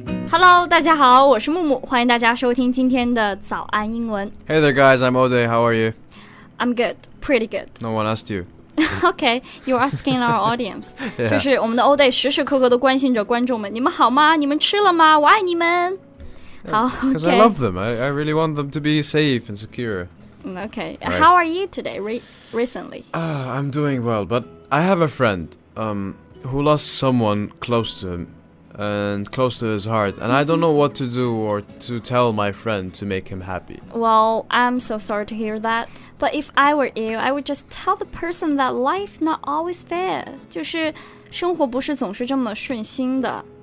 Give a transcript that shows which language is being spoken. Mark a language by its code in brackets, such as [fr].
[zh] Hello, 大家好，我是木木，欢迎大家收听今天的早安英文。 [en] Hey there, guys. I'm Ode. How are you? I'm good. Pretty good. No one asked you. Okay, you're asking our audience. [zh] 就是我们的 Ode 时时刻刻都关心着观众们，你们好吗？你们吃了吗？我爱你们。好 ，OK. [en] Because I love them. I really want them to be safe and secure. Okay.、Right. How are you today? Recently? I'm doing well, but I have a friend who lost someone close to him. And close to his heart. And I don't know what to do or to tell my friend to make him happy. Well, I'm so sorry to hear that. But if I were you, I would just tell the person that life not always fair. [zh] 就是生活不是总是这么顺心的。